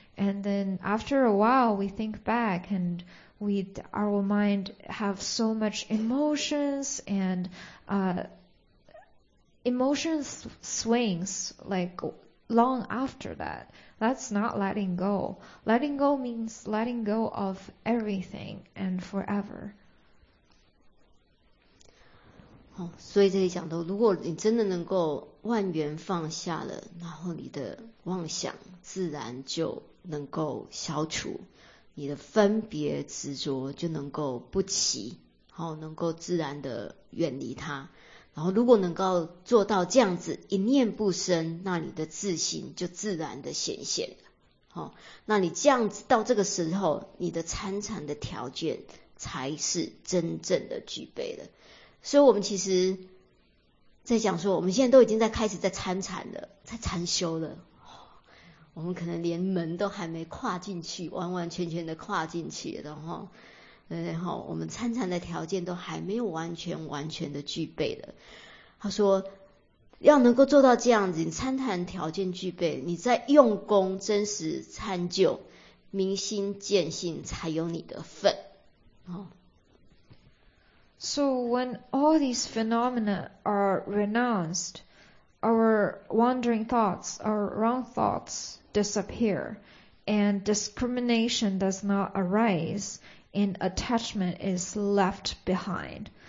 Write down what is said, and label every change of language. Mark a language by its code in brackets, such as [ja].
[en] And then after a while, we think back andWith our mind have so much emotions and emotions swings like long after that. That's not letting go. Letting go means letting go of everything and forever. [zh] 哦，所以这里讲到，如果你真的能够万缘放下了，然后你的妄想自然就能够消除。你的分别执着就能够不起，好，能够自然的远离它。然后如果能够做到这样子，一念不生，那你的自性就自然的显现了。那你这样子到这个时候，你的参禅的条件才是真正的具备了。所以我们其实在讲说，我们现在都已经在开始在参禅了，在禅修了。我们可能连门都还没跨进去，完完全全的跨进去的哈，然后我们参禅的条件都还没有完全的具备了。他说，要能够做到这样子，你参禅条件具备，你在用功真实参就，明心见性才有你的份。哦。 [en] So when all these phenomena are renounced, our wandering thoughts, our wrong thoughts. Disappear and discrimination does not arise and attachment is left behind.